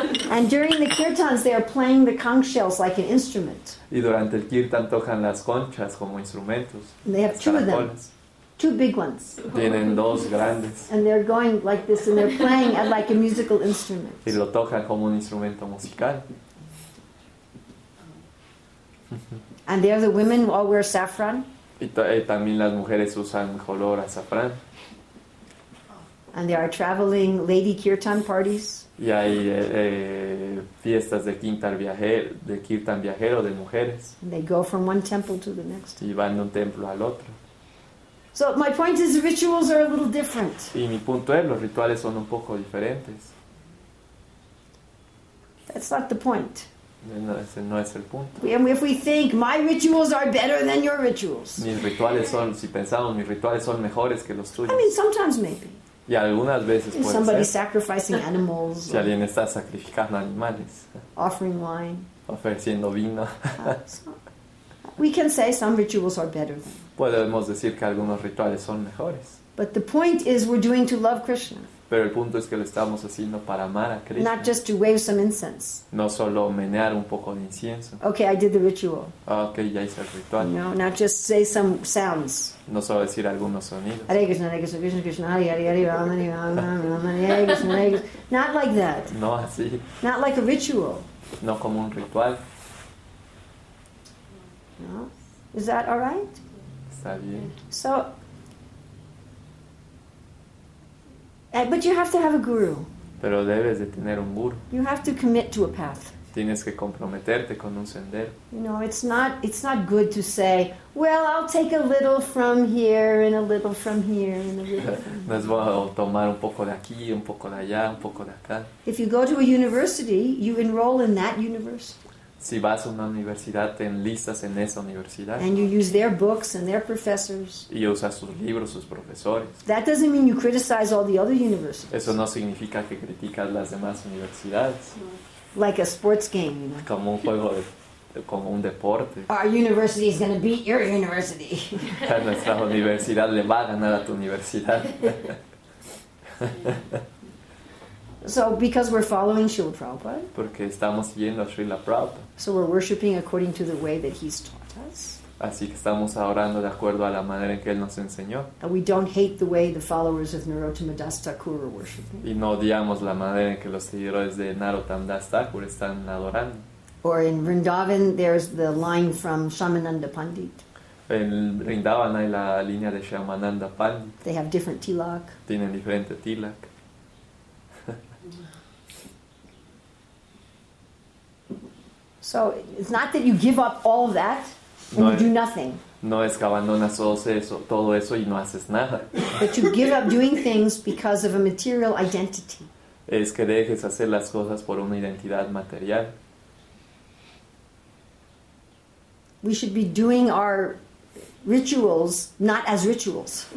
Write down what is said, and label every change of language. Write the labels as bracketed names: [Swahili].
[English] And during the kirtans, they are playing the conch shells like an instrument. [Spanish] Y durante el kirtan tocan las conchas como instrumentos. [English] And they have two of them. Two big ones. [Spanish] Tienen dos grandes. [English] And they're going like this and they're playing at like a musical instrument. [Spanish] Y lo tocan como un instrumento musical. [English] And there the women all wear saffron. [Spanish] Y también las mujeres usan color azafrán. [English] And there are traveling lady kirtan parties. [Spanish] Y hay fiestas de kirtan viajero de mujeres. [English] And they go from one temple to the next. [Spanish] Y van de un templo al otro. [English] So my point is the rituals are a little different. [Spanish] Y mi punto es, los rituales son un poco diferentes. [English] That's not the point. [Spanish] No, ese no es el punto. [English] And if we think my rituals are better than your rituals. [Spanish] Mis rituales son, si pensamos, mis rituales son mejores que los tuyos. [English] I mean, sometimes maybe. [Spanish] Y algunas veces puede [English] somebody [Spanish] ser. [English] Sacrificing animals. [Spanish] Si alguien está sacrificando animales. [English] Offering wine. [Spanish] Ofreciendo vino. [English] We can say some rituals are better. [Spanish] Podemos decir que algunos rituales son mejores. [English] But the point is we're doing to love Krishna. [Spanish] Pero el punto es que lo estamos haciendo para amar a Krishna. [English] Not just to wave some incense. [Spanish] No solo menear un poco de incienso. [English] Okay, I did the ritual. [Spanish] Okay, ya hice el ritual. [English] No, not just say some sounds. [Spanish] No solo decir algunos sonidos. [English] Hare Krishna, Hare Krishna, Krishna Krishna, Hare Hare, Hare Rama, Hare Krishna, Hare Krishna. Not like that. [Spanish] No así. [English] Not like a ritual. [Spanish] No como un ritual. [English] No. Is that all right? [Spanish] Está bien. [English] So... But you have to have a guru. [Spanish] Pero debes de tener un guru. [English] You have to commit to a path. [Spanish] Tienes que comprometerte con un sendero. [English] You know, it's not good to say, well, I'll take a little from here and a little from here and a little. [Spanish] No es bueno tomar un poco de aquí, un poco de allá, un poco de acá. [English] If you go to a university, you enroll in that universe. [Spanish] Si vas a una universidad, te enlistas en esa universidad. [English] And you use their books and their professors. [Spanish] Y usas sus libros, sus profesores. [English] That doesn't mean you criticize all the other universities. [Spanish] Eso no significa que criticas las demás universidades. [English] Like a sports game, you know. [Spanish] Como un juego como un deporte. [English] Our university is going to beat your university. [Spanish] Nuestra universidad le va a ganar a tu universidad. [English] So, because we're following Srila Prabhupada. [Spanish] Porque estamos siguiendo a Srila Prabhupada. [English] So we're worshiping according to the way that he's taught us. [Spanish] Así que estamos orando de acuerdo a la manera en que él nos enseñó. [English] And we don't hate the way the followers of Narottama Das Thakur are worshiping. [Spanish] Y no odiamos la manera en que los seguidores de Narottama Das Thakur están adorando. [English] Or in Vrindavan, there's the line from Shamananda Pandit. [Spanish] En Vrindavan hay la línea de Shamananda Pandit. [English] They have different tilak. [Spanish] Tienen diferente tilak. [English] So it's not that you give up all that. And you do nothing. [Spanish] No es que abandonas todo eso y no haces nada. [English] But you give up doing things because of a material identity. [Spanish] Es que dejes hacer las cosas por una identidad material. [English] We should be doing our rituals not as rituals.